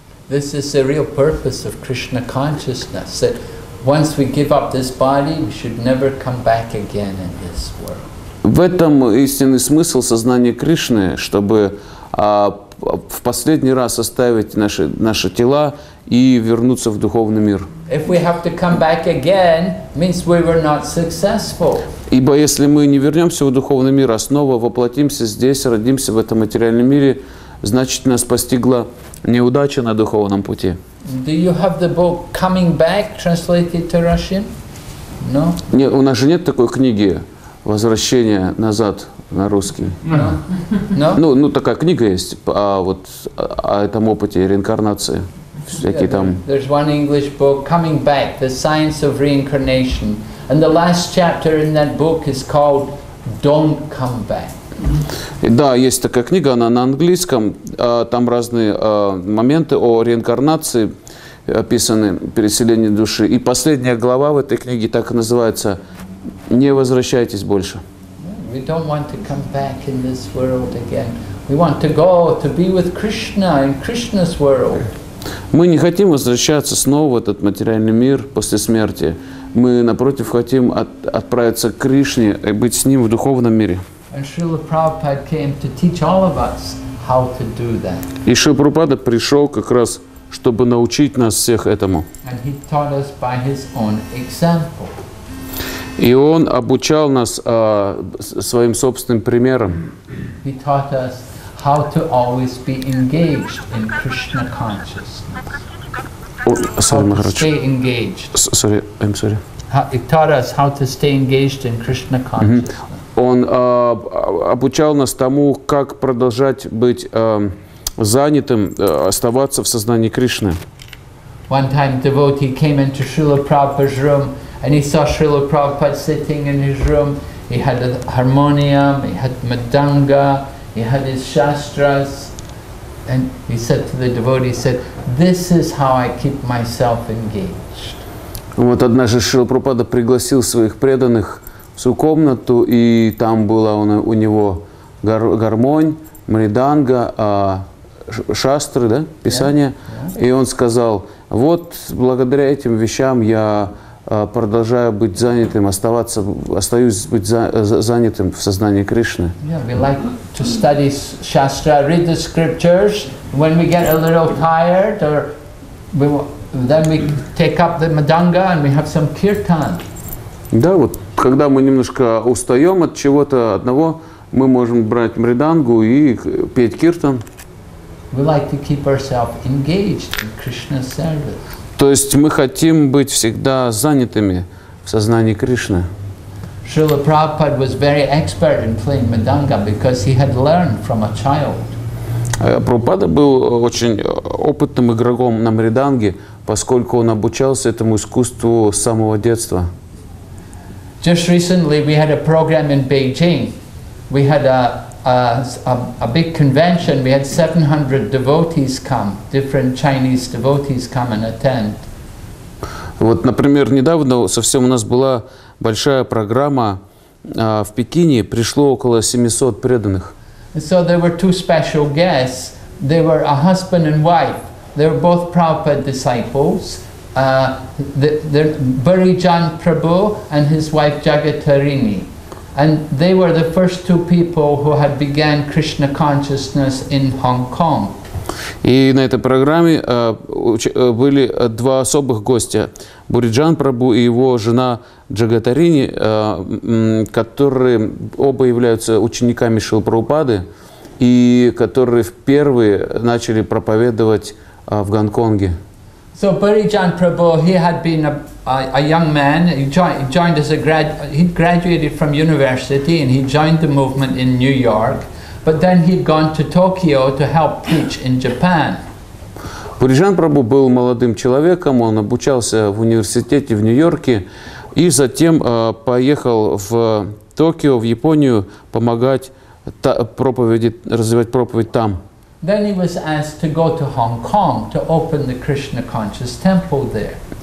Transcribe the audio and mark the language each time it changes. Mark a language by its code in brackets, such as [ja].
[en] This is the real purpose of Krishna consciousness, that once we give up this body, we should never come back again in this world. [ru] В этом истинный смысл сознания Кришны, чтобы в последний раз оставить наши тела и вернуться в духовный мир. [en] If we have to come back again, means we were not successful. [ru] Ибо если мы не вернемся в духовный мир, а снова воплотимся здесь, родимся в этом материальном мире, значит, нас постигла неудача на духовном пути. [en] Do you have the book Coming Back translated to Russian? No? [ru] Не, у нас же нет такой книги «Возвращение назад» на русский. [en] No? No? [ru] Ну, такая книга есть о этом опыте реинкарнации. Всякие там. [en] There's one English book, Coming Back, The Science of Reincarnation. And the last chapter in that book is called Don't Come Back. [ru] Да, есть такая книга, она на английском. Там разные моменты о реинкарнации описаны, переселении души. И последняя глава в этой книге так и называется «Не возвращайтесь больше». [en] We don't want to come back in this world again. We want to go to be with Krishna in Krishna's world. [ru] Мы не хотим возвращаться снова в этот материальный мир после смерти. Мы, напротив, хотим отправиться к Кришне и быть с Ним в духовном мире. [en] And Srila Prabhupada came to teach all of us how to do that. [ru] И Шрила Прабхупада пришел как раз, чтобы научить нас всех этому. [en] And he taught us by his own example. [ru] И он обучал нас своим собственным примером. [en] He taught us how to always be engaged in Krishna consciousness. He taught us how to stay engaged in Krishna consciousness. [ru] Он обучал нас тому, как продолжать быть занятым, оставаться в сознании Кришны. [en] One time devotee came into Srila Prabhupada's room and he saw Srila Prabhupada sitting in his room. He had a harmonium, he had madanga, he had his shastras. And he said to the devotee, he said, this is how I keep myself engaged. [ru] Вот однажды Шрила Прабхупада пригласил своих преданных в свою комнату, и там была у него гармонь, мриданга, шастры, да, писание. [en] Yeah, yeah. [ru] И он сказал, вот благодаря этим вещам я продолжаю быть занятым, остаюсь занятым в сознании Кришны. [en] Yeah, we like to study shastra, read the scriptures. When we get a little tired, then we take up the madanga and we have some kirtan. [ru] Да, вот когда мы немножко устаем от чего-то одного, мы можем брать мридангу и петь киртан. [en] We like to keep ourselves engaged in Krishna's service. [ru] То есть мы хотим быть всегда занятыми в сознании Кришны. [en] Srila Prabhupada was very expert in playing madanga because he had learned from a child. [ru] Прабхупада был очень опытным игроком на мриданге, поскольку он обучался этому искусству с самого детства. [en] Just recently we had a program in Beijing. We had a big convention. We had 700 devotees come, different Chinese devotees come and attend. [ru] Вот, например, недавно совсем у нас была большая программа в Пекине. Пришло около 700 преданных. [en] So there were two special guests. They were a husband and wife. They were both Prabhupada disciples. The Burijan Prabhu and his wife Jagatarini. And they were the first two people who had began Krishna consciousness in Hong Kong. [ru] И на этой программе были два особых гостя. Буриджан Прабу и его жена Джагатарини, которые оба являются учениками Шрилы Прабхупады и которые впервые начали проповедовать в Гонконге. [en] So Burijan Prabhu, he had been a young man. He graduated from university and he joined the movement in New York. But then he'd gone to Tokyo to help preach in Japan. [ru] Пуриджан Прабху был молодым человеком, он обучался в университете в Нью-Йорке и затем поехал в Токио, в Японию, помогать проповеди, развивать проповедь там. [en] Then he was asked to go to Hong Kong to open the Krishna Conscious Temple there.